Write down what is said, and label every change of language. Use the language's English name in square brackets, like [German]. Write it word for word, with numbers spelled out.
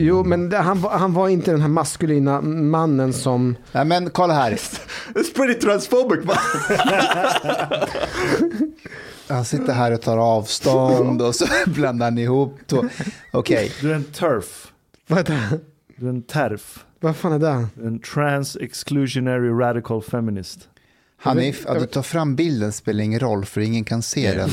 [Swedish] Jo, men det, han, han var inte den här maskulina mannen som... Nej, men kolla här. [English] It's pretty transphobic. [Swedish] Han sitter här och tar avstånd och så blandar han ihop. Okej. Okay. Du är en turf. Vad är det? Du är en terf. Vad fan är det? Du är en trans exclusionary radical feminist. Hanif, att du tar fram bilden spelar ingen roll, för ingen kan se den.